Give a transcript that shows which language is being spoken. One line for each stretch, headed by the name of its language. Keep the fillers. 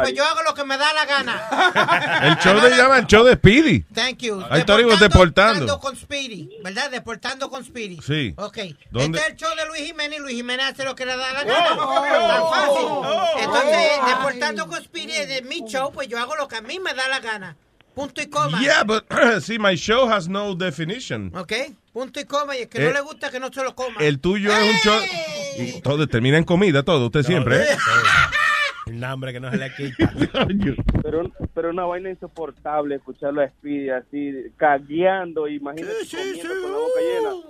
Spanish: Pues yo hago lo que me da la gana. el show se llama el show de Speedy.
English: Thank you.
Spanish: Ahí deportando, deportando, deportando. con Speedy, ¿verdad? Deportando con Speedy. Sí. Ok. ¿Dónde? Este es el show de Luis Jiménez y Luis Jiménez hace lo que le da la gana. Oh, oh, oh, tan fácil. Entonces, deportando ay. con Speedy es mi show, pues yo hago lo que a mí me da la gana. Punto y coma.
English: Yeah, but see, my show has no definition. Okay.
Spanish: Punto y coma, y es que el, no le gusta que no se lo coma. El tuyo ¡Ey! es un chorro Y todo termina en comida, todo, usted siempre, siempre. El nombre que no se le quita. pero, pero una vaina insoportable escucharlo a Speedy así, cagueando, imagínate. Sí, sí, sí, sí. Con la boca llena.